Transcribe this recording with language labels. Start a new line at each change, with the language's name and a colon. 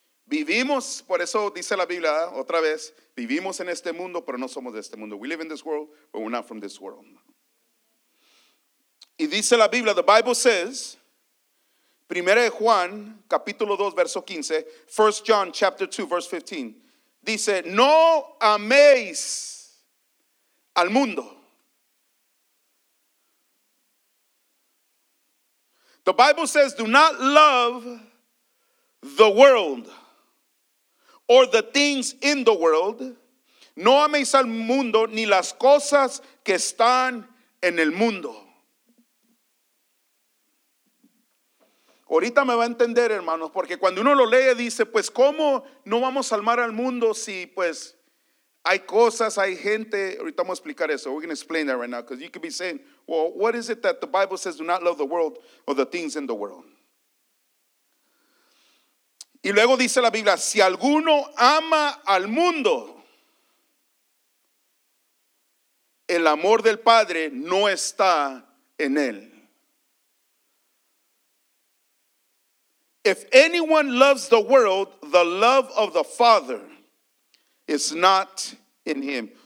Spanish: Vivimos, por eso dice la Biblia otra vez, vivimos en este mundo, pero no somos de este mundo.
English: We live in this world, but we're not from this world.
Spanish: Y dice la Biblia,
English: the Bible says,
Spanish: 1 Juan, capítulo 2, verso 15,
English: 1 John, chapter 2, verse 15,
Spanish: dice, no améis al mundo.
English: The Bible says, do not love the world or the things in the world.
Spanish: No améis al mundo ni las cosas que están en el mundo. Ahorita me va a entender, hermanos, porque cuando uno lo lee, dice, pues, ¿cómo no vamos a amar al mundo si, pues, hay cosas, hay gente? Ahorita vamos a explicar eso.
English: We're going to explain that right now, because you could be saying, well, what is it that the Bible says, do not love the world or the things in the world?
Spanish: Y luego dice la Biblia, si alguno ama al mundo, el amor del Padre no está en él.
English: If anyone loves the world, the love of the Father is not in him.